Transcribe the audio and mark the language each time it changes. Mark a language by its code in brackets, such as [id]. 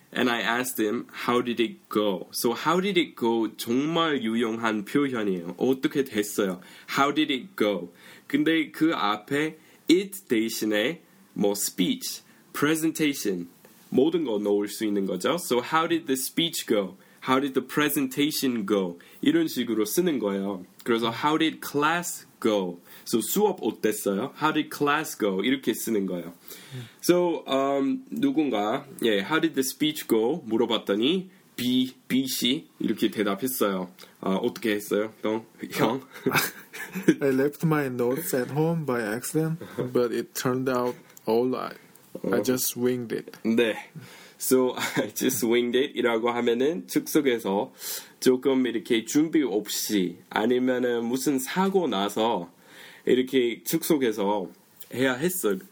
[en] And I asked him, how did it go? So, how did it go? [ko] 정말 유용한 표현이에요. 어떻게 됐어요? [en] How did it go? [ko] 근데 그 앞에 it 대신에 뭐 speech, presentation, 모든 거 넣을 수 있는 거죠. [en] So, how did the speech go? How did the presentation go? [ko] 이런 식으로 쓰는 거예요. [en] 그래서 how did class go? So, [ko] 수업 어땠어요? [en] How did class go? [ko] 이렇게 쓰는 거예요. [en] So, 누군가, yeah, how did the speech go? [ko] 물어봤더니, B씨, 이렇게 대답했어요. 어떻게 했어요? 형? [en] I left my notes at home by accident, but it turned out all right. I just winged it. [ko] 네. [en] So, I just winged it [ko] 이라고 하면은 즉석에서 조금 이렇게 준비 없이 아니면은 무슨 사고 나서 이렇게 즉석에서 해야 했어.